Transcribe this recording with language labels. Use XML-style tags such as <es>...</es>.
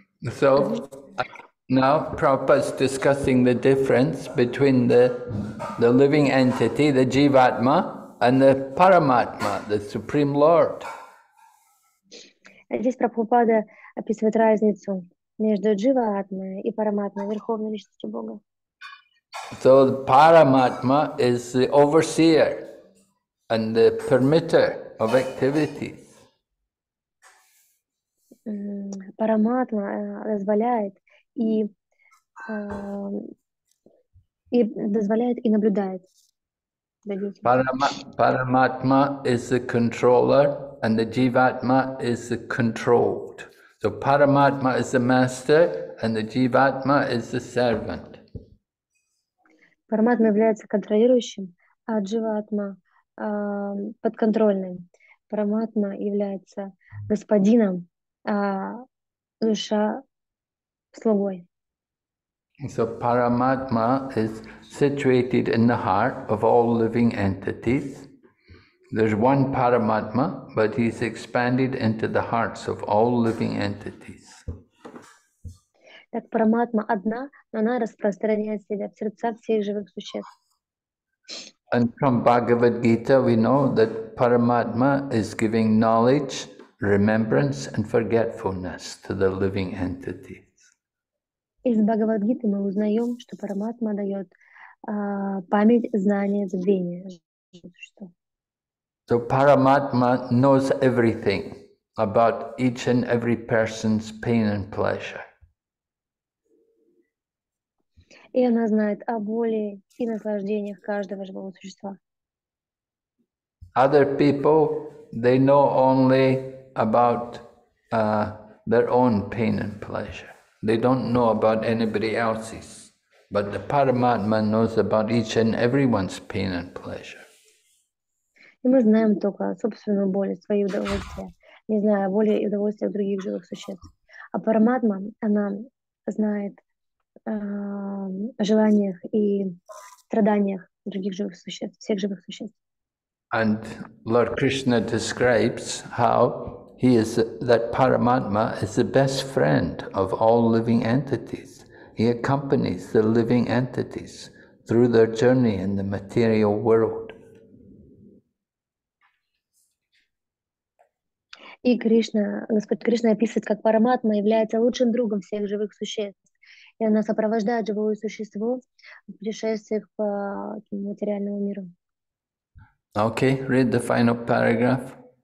<en>So now Prabhupada is discussing the difference between the living entity, the Jivatma, and the Paramatma, the Supreme Lord.</en> <ru>Здесь Прабхупада описывает разницу между Джива-атма и Параматма, Верховной Личностью Бога.</ru> <en>So the Paramatma is the overseer and the permitter of activities.</en> <ru>Параматма дозволяет и дозволяет и наблюдает.</ru> <en>Параматма is the controller and the Jivatma is the controlled. So Paramatma is the master and the Jivatma is the servant.</en> <ru>Параматма является контролирующим, а Дживатма подконтрольным. Параматма является господином, а душа слугой.</ru> <en>So Paramatma is situated in the heart of all living entities. There's one Paramatma, but he's expanded into the hearts of all living entities.</en> <ru>Так Параматма одна, но она распространяет себя в сердца всех живых существ.</ru> <en>And from Bhagavad Gita we know that Paramatma is giving knowledge, remembrance and forgetfulness to the living entities.</en> <ru>Из Бхагавад-гиты мы узнаем, что Параматма дает память, знание, забвение.</ru> <en>So Paramatma knows everything about each and every person's pain and pleasure.</en> <ru>И она знает о боли и наслаждениях каждого живого существа.</ru> <en>Other people, they know only about their own pain and pleasure. They don't know about anybody else's, but the Paramatma knows about each and everyone's pain and pleasure.</en> <ru>И мы знаем только собственную боль, свои удовольствия, не зная боли и удовольствия других живых существ. А Параматма, она знает о желаниях и страданиях других живых существ, всех живых существ.</ru> <en>And Lord Krishna describes how He is that Paramatma is the best friend of all living entities. He accompanies the living entities through their journey in the material world.</en> <ru>И Кришна, Господь Кришна описывает, как Параматма является лучшим другом всех живых существ, и она сопровождает живое существо в путешествиях по материальному миру.</ru> <en>Okay, read the final paragraph.</en>